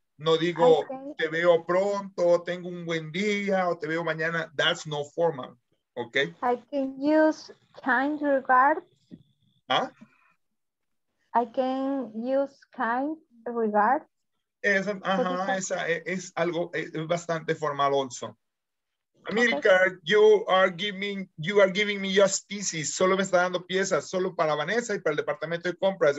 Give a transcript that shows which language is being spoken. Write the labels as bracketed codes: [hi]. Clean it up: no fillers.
[es] No digo, okay, te veo pronto, tengo un buen día, o te veo mañana. [en] That's no formal, ¿ok? I can use kind regards. ¿Ah? I can use kind regards. [es] Es, ajá, esa es algo es bastante formal also. [en] Amilcar, okay, you are giving me just pieces. [es] Solo me está dando piezas, solo para Vanessa y para el departamento de compras.